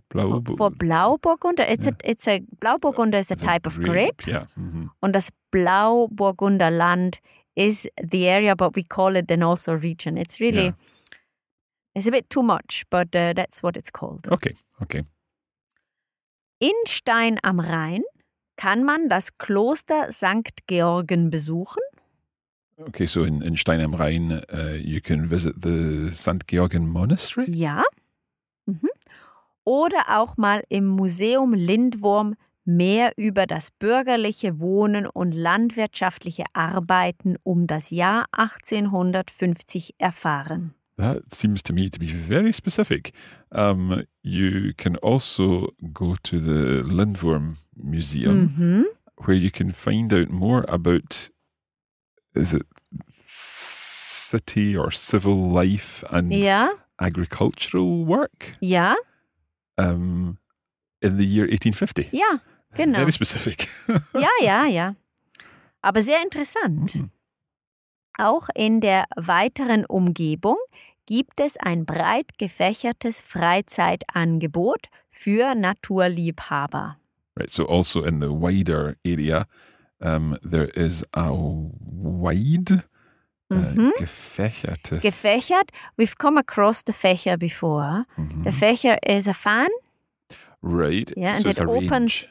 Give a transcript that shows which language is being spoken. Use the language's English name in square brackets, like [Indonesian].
[English] For Blauburgunder? Blauburgunder is a type of grape. Yeah. Und das Blauburgunderland is the area, but we call it then also region. It's really, it's a bit too much, but that's what it's called. Okay. [German] In Stein am Rhein kann man das Kloster St. Georgen besuchen. [English] Okay, so in Stein am Rhein, you can visit the St. Georgen Monastery? [German] Ja. Mhm. Oder auch mal im Museum Lindwurm mehr über das bürgerliche Wohnen und landwirtschaftliche Arbeiten um das Jahr 1850 erfahren. [English] That seems to me to be very specific. You can also go to the Lindwurm Museum, where you can find out more about, is it city or civil life and agricultural work? Yeah. in the year 1850. [German] Ja, genau. [English] Very specific. [German] Ja, ja, ja. Aber sehr interessant. Mhm. Auch in der weiteren Umgebung gibt es ein breit gefächertes Freizeitangebot für Naturliebhaber. [English] Right, so also in the wider area, there is a wide, mm-hmm. [German] gefächertes. [English] Gefächert. We've come across the Fächer before. Mm-hmm. The Fächer is a fan. Right. Yeah, and so it opens. Range.